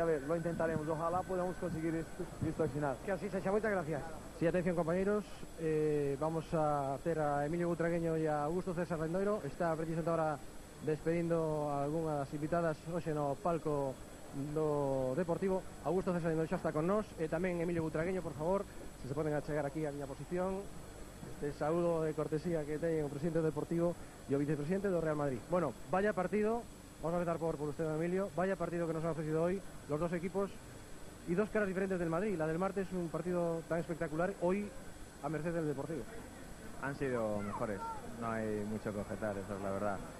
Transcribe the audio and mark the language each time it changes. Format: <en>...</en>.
<es>A ver, lo intentaremos, ojalá podamos conseguir esto, esto al final. Que así sea, muchas gracias. Sí, atención compañeros, vamos a hacer a Emilio Butragueño y a Augusto César Rendoiro. Está precisamente ahora despediendo a algunas invitadas,</es> <gl>oxe no, palco do Deportivo. Augusto César Rendoiro xa está con nos, tamén Emilio Butragueño, por favor, se se poden achegar aquí a miña posición. Este saúdo de cortesía que teñen o presidente do Deportivo e o vicepresidente do Real Madrid.</gl> <es>Bueno, vaya partido, vamos a empezar por usted, Emilio. Vaya partido que nos ha ofrecido hoy los dos equipos y dos caras diferentes del Madrid. La del martes, un partido tan espectacular, hoy a merced del Deportivo. Han sido mejores, no hay mucho que objetar, eso es la verdad.</es>